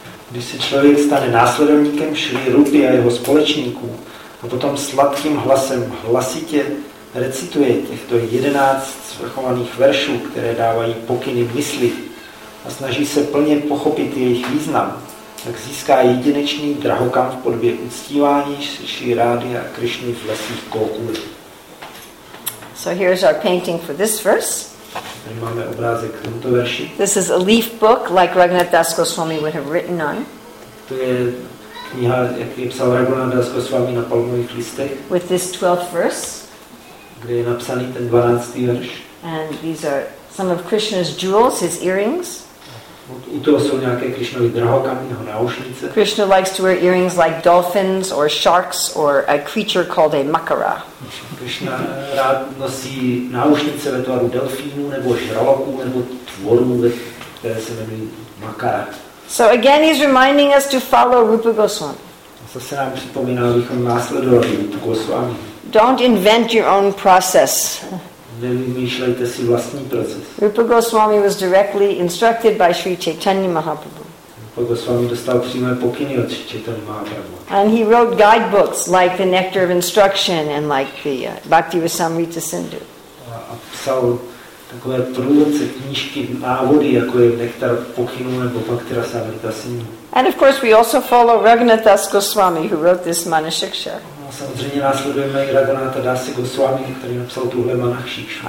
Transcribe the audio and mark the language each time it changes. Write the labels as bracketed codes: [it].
[cs] Když se člověk stane následovníkem Šri Rupy a jeho společníků a potom sladkým hlasem hlasitě recituje těchto 11 svrchovaných veršů, které dávají pokyny mysli a snaží se plně pochopit jejich význam, tak získá jedinečný drahokam v podobě uctívání Šri Rády a Krišny v lesích Gokula. [en] So here's our painting for this verse. [cs] Tady máme obrázek k tomuto verši. [en] This is a leaf book like Raghunath Das Goswami would have written on. [cs] To je kniha, jak je psal Raghunath Das Goswami na palmových listech. [en] With this 12th verse. [cs] Kde je napsaný ten 12. verš. [en] And these are some of Krishna's jewels, his earrings. [cs] U toho jsou nějaké Krishnovy drahokamy, jeho náušnice. [en] Krishna likes to wear earrings like dolphins or sharks or a creature called a makara. [cs] Krishna rád nosí náušnice ve tvaru delfínu nebo žraloků nebo tvorů, které se jmenují makara. [en] So again he's reminding us to follow Rupa Goswami. [cs] Zase nám připomíná, abychom následovali Rupa Goswami. [en] Don't invent your own process. [cs] Nevymýšlejte si vlastní proces. [en] Rupa Goswami was directly instructed by Sri Chaitanya Mahaprabhu. [cs] Rupa Goswami dostal přímé pokyny od Sri Chaitanya Mahaprabhu. [en] And he wrote guidebooks like the Nectar of Instruction and like the Bhakti Rasamrita Sindhu. [cs] A psal takové průvodce, knížky, návody, jako je Nektar pokynů nebo Bhakti Rasamrita Sindhu. [en] And of course we also follow Raghunath Das Goswami who wrote this Manasiksha. [cs] A samozřejmě následujeme i Raghunatha Dasa Goswami, který napsal tuhle Manakshish.